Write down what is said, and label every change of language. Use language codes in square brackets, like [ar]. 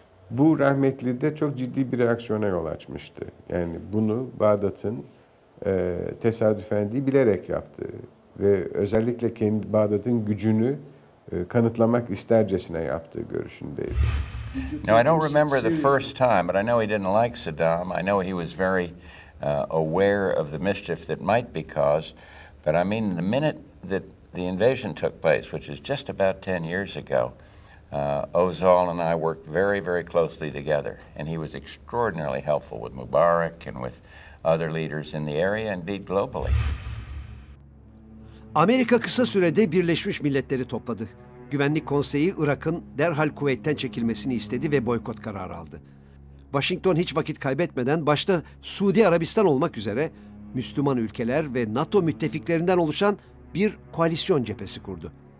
[tr] Bu rahmetli de çok ciddi bir reaksiyona yol açmıştı. Yani bunu Bağdat'ın tesadüfen değil bilerek yaptı. Ve özellikle kendi Bağdat'ın gücünü kanıtlamak istercesine yaptığı görüşündeydi. [en] Now I don't remember the first time, but I know he didn't like Saddam. I know he was very aware of the mischief that might be caused. But I mean, the minute that the invasion took place, which is just about 10 years ago, Özal and I worked very, very closely together, and he was extraordinarily helpful with Mubarak and with other leaders in the area, indeed globally. [tr] Amerika kısa sürede Birleşmiş Milletleri topladı. Güvenlik Konseyi Irak'ın derhal Kuveyt'ten çekilmesini istedi ve boykot kararı aldı. Washington hiç vakit kaybetmeden başta Suudi Arabistan olmak üzere Müslüman ülkeler ve NATO müttefiklerinden oluşan bir koalisyon cephesi kurdu.